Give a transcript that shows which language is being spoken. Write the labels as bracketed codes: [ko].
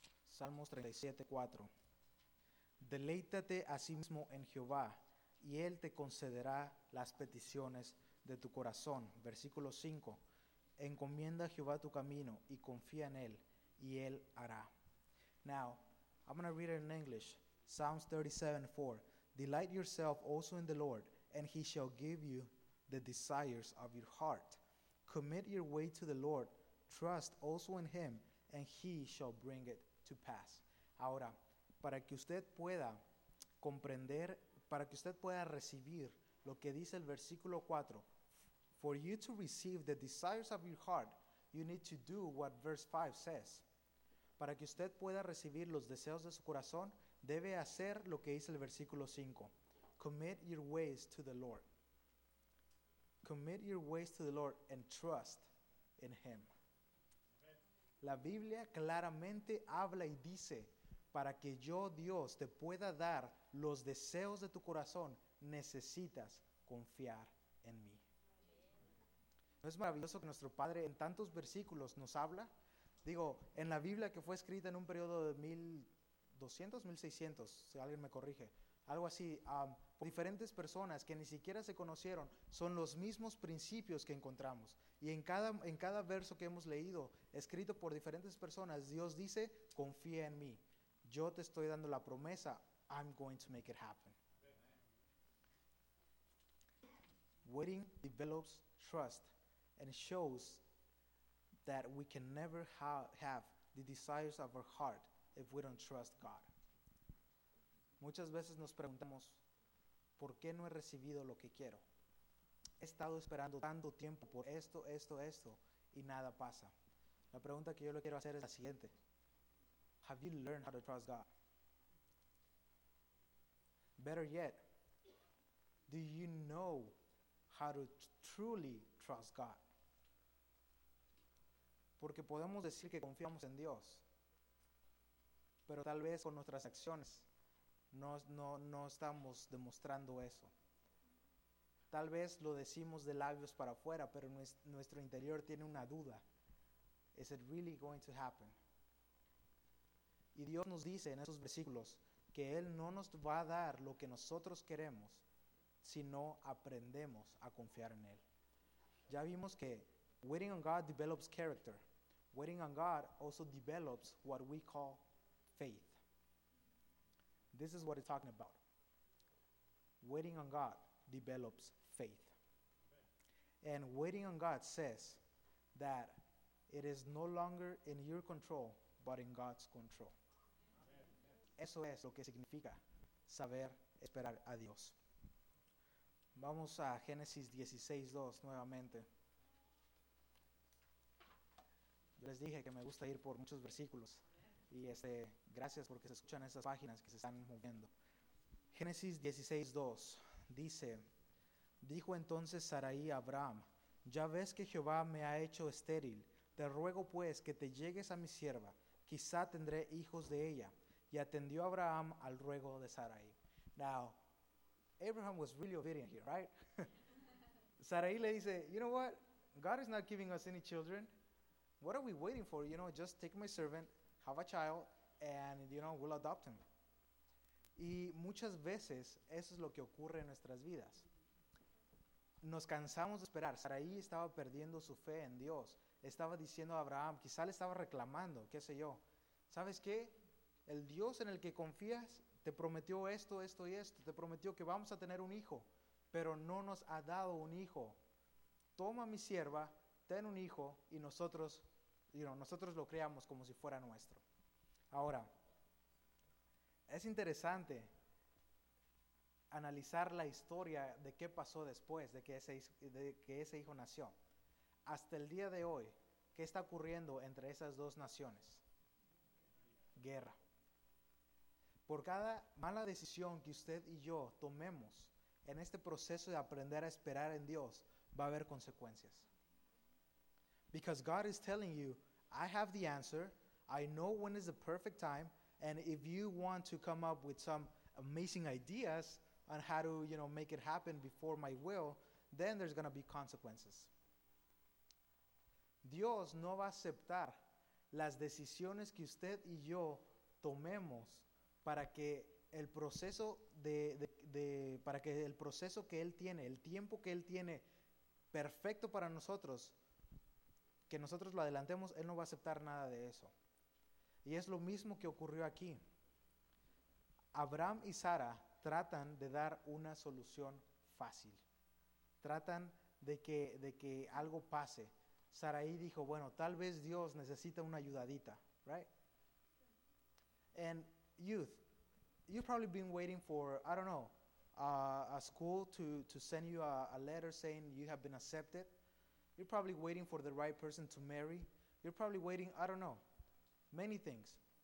[es] Salmos 37:4. Deleítate a sí mismo en Jehová, y Él te concederá las peticiones de tu corazón. Versículo 5. Encomienda a Jehová tu camino y confía en Él, y Él hará. [en] Now, I'm going to read it in English. Psalms 37:4. Delight yourself also in the Lord, and He shall give you the desires of your heart. Commit your way to the Lord, trust also in Him, and He shall bring it to pass. [es] Ahora, para que usted pueda comprender, para que usted pueda recibir lo que dice el versículo 4, [en] for you to receive the desires of your heart, you need to do what verse 5 says. [es] Para que usted pueda recibir los deseos de su corazón, debe hacer lo que dice el versículo 5. [en] Commit your ways to the Lord. Commit your ways to the Lord and trust in Him. [es] La Biblia claramente habla y dice, para que yo, Dios, te pueda dar los deseos de tu corazón, necesitas confiar en mí. ¿No es maravilloso que nuestro Padre en tantos versículos nos habla? Digo, en la Biblia que fue escrita en un periodo de 1200, 1600, si alguien me corrige, algo así, diferentes personas que ni siquiera se conocieron, son los mismos principios que encontramos. Y en cada verso que hemos leído, escrito por diferentes personas, Dios dice, confía en mí. Yo te estoy dando la promesa, [en] I'm going to make it happen. Waiting develops trust and shows that we can never have the desires of our heart if we don't trust God. [es] Muchas veces nos preguntamos, ¿por qué no he recibido lo que quiero? He estado esperando tanto tiempo por esto, esto, esto, y nada pasa. La pregunta que yo le quiero hacer es la siguiente. [en] Have you learned how to trust God? Better yet, do you know how to truly trust God? [es] Porque podemos decir que confiamos en Dios, pero tal vez con nuestras acciones no estamos demostrando eso. Tal vez lo decimos de labios para afuera, pero nuestro interior tiene una duda. [en] Is it really going to happen? [es] Y Dios nos dice en esos versículos que Él no nos va a dar lo que nosotros queremos si no aprendemos a confiar en Él. Ya vimos que [en] waiting on God develops character. Waiting on God also develops what we call faith. This is what it's talking about. Waiting on God develops faith. And waiting on God says that it is no longer in your control, but in God's control. [es] Eso es lo que significa saber esperar a Dios. Vamos a Génesis 16:2 nuevamente. Yo les dije que me gusta ir por muchos versículos. Y gracias porque se escuchan esas páginas que se están moviendo. Génesis 16:2 dice, dijo entonces Sarai a Abraham, ya ves que Jehová me ha hecho estéril. Te ruego pues que te llegues a mi sierva, quizá tendré hijos de ella. Y atendió Abraham al ruego de Sarai. [en] Now, Abraham was really obedient here, right? Sarai [es] le dice, [en] you know what? God is not giving us any children. What are we waiting for? You know, just take my servant, have a child, and, you know, we'll adopt him. [es] Y muchas veces eso es lo que ocurre en nuestras vidas. Nos cansamos de esperar. Sarai estaba perdiendo su fe en Dios. Estaba diciendo a Abraham, quizá le estaba reclamando, qué sé yo. ¿Sabes qué? El Dios en el que confías te prometió esto, esto y esto. Te prometió que vamos a tener un hijo, pero no nos ha dado un hijo. Toma mi sierva, ten un hijo y nosotros lo creamos como si fuera nuestro. Ahora, es interesante analizar la historia de qué pasó después de que ese hijo nació. Hasta el día de hoy, ¿qué está ocurriendo entre esas dos naciones? Guerra. Por cada mala decisión que usted y yo tomemos en este proceso de aprender a esperar en Dios, va a haber consecuencias. [en] Because God is telling you, I have the answer, I know when is the perfect time, and if you want to come up with some amazing ideas on how to, you know, make it happen before my will, then there's going to be consequences. [es] Dios no va a aceptar las decisiones que usted y yo tomemos para que el proceso que Él tiene, el tiempo que Él tiene perfecto para nosotros, que nosotros lo adelantemos, Él no va a aceptar nada de eso. Y es lo mismo que ocurrió aquí. Abraham y Sara tratan de dar una solución fácil. Tratan de que algo pase. Sarai dijo, bueno, tal vez Dios necesita una ayudadita, right? [en] And youth, you've probably been waiting for, I don't know, a school to send you a letter saying you have been accepted. You're probably waiting for the right person to marry. You're probably waiting, I don't know, many things.